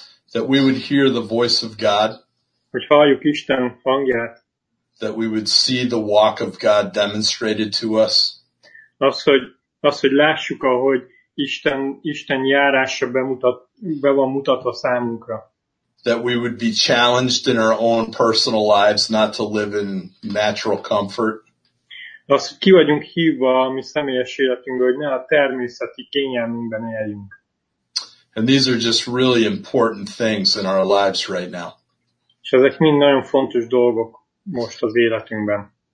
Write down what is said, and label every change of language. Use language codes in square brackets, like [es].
[en] That we would hear the voice of God. [hu] Hogy halljuk Isten hangját. [en] That we would see the walk of God demonstrated to us. [hu] Az, hogy lássuk, ahogy Isten járása be van mutatva számunkra. [en] That we would be challenged in our own personal lives not to live in natural comfort. [hu] Az, hogy ki vagyunk hívva a mi személyes életünkbe, hogy ne a természeti kényelmünkben éljünk. [en] And these are just really important things in our lives right now. [hu] És ezek mind nagyon fontos dolgok most az életünkben.